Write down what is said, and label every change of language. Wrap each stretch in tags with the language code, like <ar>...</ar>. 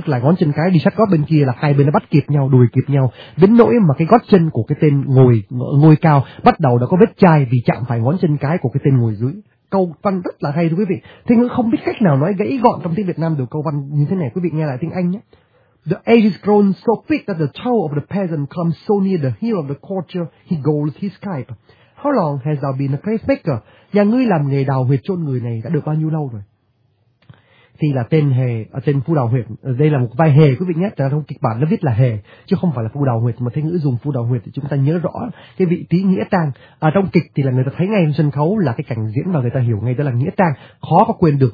<vi>Tức là ngón chân cái đi sát gót bên kia là hai bên nó bắt kịp nhau, đuổi kịp nhau, đến nỗi mà cái gót chân của cái tên ngồi cao bắt đầu đã có vết chai vì chạm phải ngón chân cái của cái tên ngồi dưới. Câu văn rất là hay, thưa quý vị. Thế ngữ không biết cách nào nói gãy gọn trong tiếng Việt Nam được câu văn như thế này, quý vị nghe lại tiếng Anh nhé.</vi> <en>The age is grown so thick that the toe of the peasant comes so near the heel of the courtier, he goes his type. How long has thou been a grave maker?</en> <vi>Nhà ngươi làm nghề đào huyệt chôn người này đã được bao nhiêu lâu rồi? thì là tên hề, tên phu đào huyệt. Đây là một vai hề quý vị nhé, trong kịch bản nó viết là hề chứ không phải là phu đào huyệt. Mà Thế Ngữ dùng phu đào huyệt thì chúng ta nhớ rõ cái vị trí nghĩa trang. Trong kịch thì là người ta thấy ngay trên sân khấu là cái cảnh diễn và người ta hiểu ngay đó là nghĩa trang, khó có quên được.</vi>